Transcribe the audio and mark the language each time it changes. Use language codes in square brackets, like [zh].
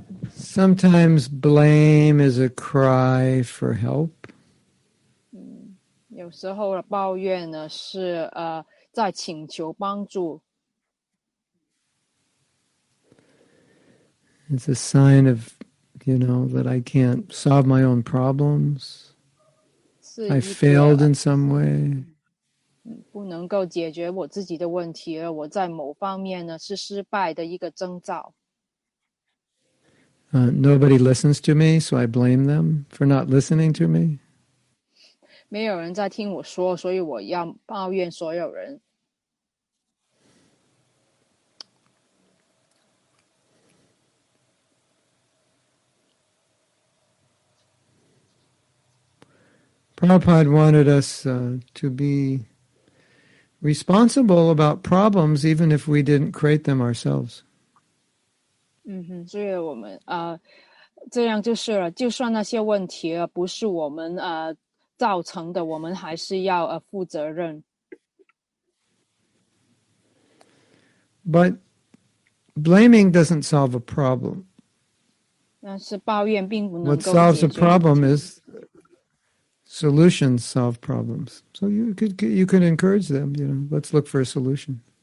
[en] Sometimes blame is a cry for help. [zh] 有时候的抱怨呢，是在请求帮助。 [en] It's a sign of, you know, that I can't solve my own problems. I failed in some way. [zh] 不能够解决我自己的问题，而我在某方面呢，是失败的一个征兆。 [en] Nobody listens to me, so I blame them for not listening to me. [zh] 没有人在听我说，所以我要抱怨所有人。 [en] Prabhupada wanted us to be responsible about problems, even if we didn't create them ourselves. [zh] 所以我们这样就是了，就算那些问题不是我们造成的，我们还是要负责任。 [en] But blaming doesn't solve a problem. [zh] 但是抱怨并不能够解决。 [en] What solves a problem is solutions solve problems. So you could encourage them, you know, let's look for a solution.